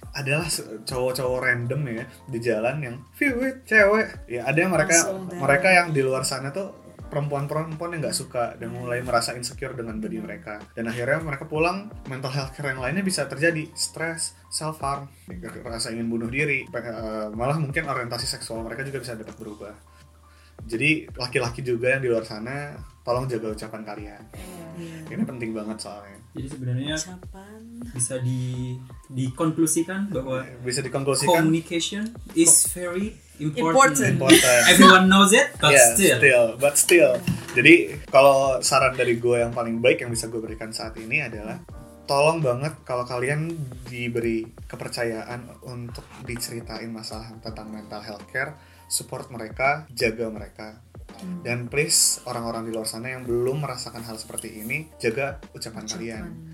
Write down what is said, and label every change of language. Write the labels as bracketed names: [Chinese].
[Indonesian] adalah cowok-cowok random ya di jalan yang fiwit cewek ya, ada yang mereka yang di luar sana tuh perempuan-perempuan yang nggak suka dan mulai merasa insecure dengan body mereka, dan akhirnya mereka pulang, mental health care yang lainnya bisa terjadi, stress, self harm, rasa ingin bunuh diri, malah mungkin orientasi seksual mereka juga bisa dapat berubah. Jadi laki-laki juga yang di luar sana, tolong jaga ucapan kalian. Ini penting banget soalnya. Jadi sebenarnya bisa dikonklusikan bahwa bisa dikonklusikan [English] communication is very important. Everyone knows it, but still. [Indonesian] Jadi kalau saran dari gue yang paling baik yang bisa gue berikan saat ini adalah tolong banget kalau kalian diberi kepercayaan untuk diceritain masalah tentang mental health care, support mereka, jaga mereka. Dan please, orang-orang di luar sana yang belum merasakan hal seperti ini, jaga ucapan kalian.